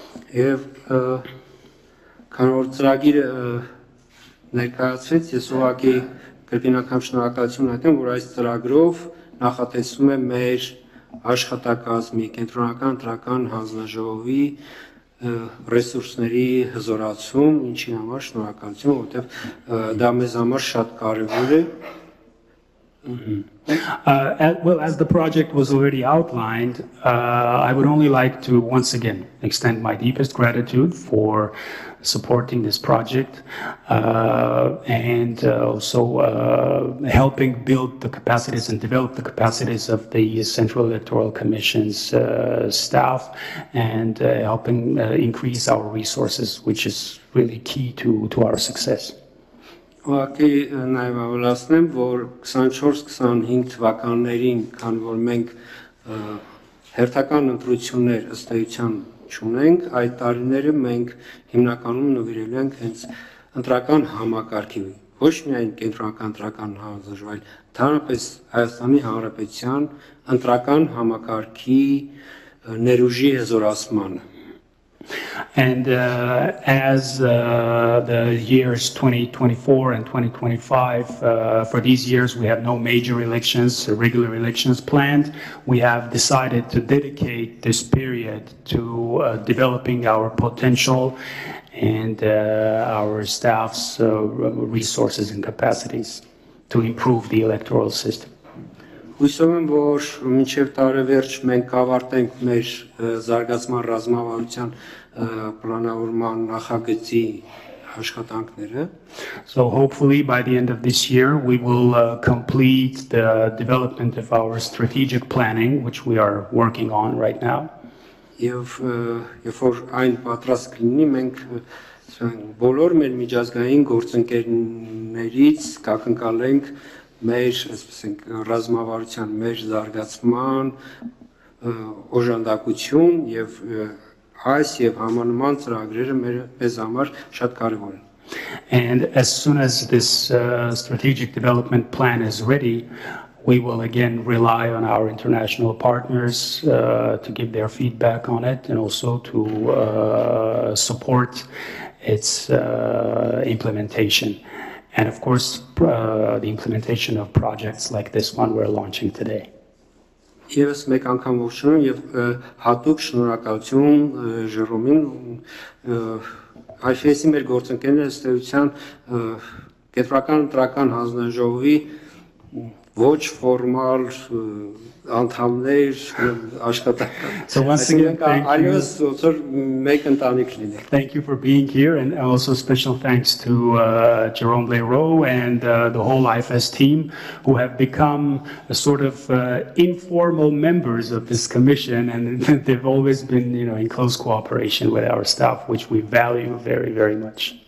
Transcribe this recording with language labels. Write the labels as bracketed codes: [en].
[hy] If, քանի որ ծրագիրը ներկայացվեց, ես ուղղակի կրկնակամ շնորհակալություն հայտնեմ, որ այս ծրագրով նախատեսվում է մեր աշխատակազմի, կենտրոնական ընտրական հանձնաժողովի ռեսուրսների հզորացում, ինչի համար շնորհակալություն, որովհետև դա մեզ համար շատ կարևոր է. [en] Well, as the project was already outlined, I would only like to once again extend my deepest gratitude for supporting this project and also helping build the capacities and develop the capacities of the Central Electoral Commission's staff and helping increase our resources, which is really key to our success. [hy] Ուղղակի նաև ավելացնեմ, որ 24-25 թվականներին, քան որ մենք հերթական ընտրություններ ըստ էության չունենք, այդ տարիները մենք հիմնականում նվիրելու ենք հենց ընտրական համակարգի, ոչ միայն կենտրոնական ընտրական համակարգի, այլ ընդհանրապես Հայաստանի Հանրապետության ընտրական համակարգի ներուժի հզորացմանը. [en] And as the years 2024 and 2025, for these years we have no major elections, regular elections planned, we have decided to dedicate this period to developing our potential and our staff's resources and capacities to improve the electoral system. [hy] Հուսով եմ, որ մինչև տարեվերջ մենք կավարտենք մեր զարգացման ռազմավարության պլանավորման նախագծի աշխատանքները. [en] So hopefully by the end of this year we will complete the development of our strategic planning, which we are working on right now. [hy] Եվ որ այն պատրաստ կլինի, մենք բոլոր մեր միջազգային գործընկերներից կակնկալենք մեր, այսպես ենք, ռազմավարության, մեր զարգացման օժանդակություն եւ այս եւ համանման ծրագրերը մեզ համար շատ կարեւոր են. [en] And as soon as this strategic development plan is ready, we will again rely on our international partners to give their feedback on it and also to support its implementation. And of course, the implementation of projects like this one we're launching today. [hy] Ես մեկ անգամ ողջունում եւ հատուկ շնորհակալություն Ժերոմին, IFES-ի մեր գործընկերներ ըստ էության կենտրոնական ընտրական հանձնաժողովի ոչ ֆորմալ անդամներ աշխատակազմ։ [en] So once again, thank you. [hy] Այս ուղղությամբ մեկ ընտանիք լինի։ [en] Thank you for being here and also special thanks to Jerome Leroux and the whole IFES team who have become a sort of informal members of this commission and they've always been, you know, in close cooperation with our staff, which we value very, very much.